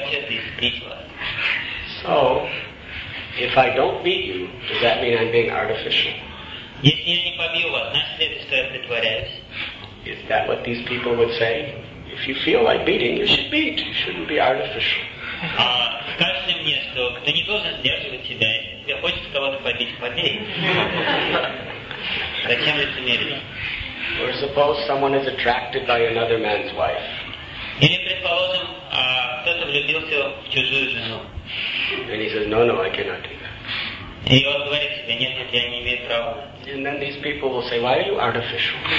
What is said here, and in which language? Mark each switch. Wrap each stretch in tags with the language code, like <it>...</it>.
<en>So, if I don't beat you, does that mean I'm being artificial?</en> <ru>Если я не побью вас, значит ли это, что я притворяюсь?</ru> <en>Is that what these people would say? If you feel like beating, you should beat. You shouldn't be artificial.</en> <ru>Скажешь ли мне, что ты не должен сдерживать себя, если тебе хочется кого-то побить, побей. Зачем лицемерить?</ru> <en>Or suppose someone is attracted by another man's wife.</en> <ru>Или, предположим, кто-то влюбился в чужую жену.</ru> <en>And he says, no, no, I cannot do that.</en> <ru>И он говорит себе, нет, нет, я не имею права.</ru> <en>And then these people will say, why are you artificial?</en>